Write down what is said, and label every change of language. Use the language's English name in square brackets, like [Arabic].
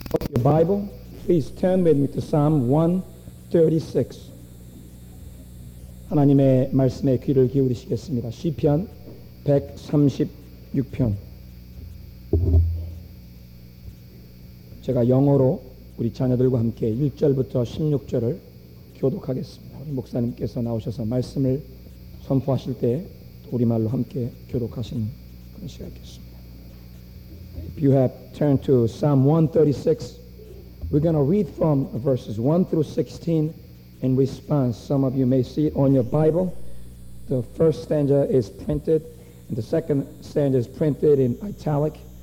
[English] your Bible, please turn with me to Psalm 136. [Korean] 하나님의 말씀에 귀를 기울이시겠습니다. 시편 136편. 제가 영어로 우리 자녀들과 함께 1절부터 16절을 교독하겠습니다. 우리 목사님께서 나오셔서 말씀을 선포하실 때 우리말로 함께 교독하시는 그런 시간이겠습니다. [English] If you have turned to Psalm 136, we're going to read from verses 1 through 16 in response. Some of you may see it on your Bible. The first stanza is printed, and the second stanza is printed in italic.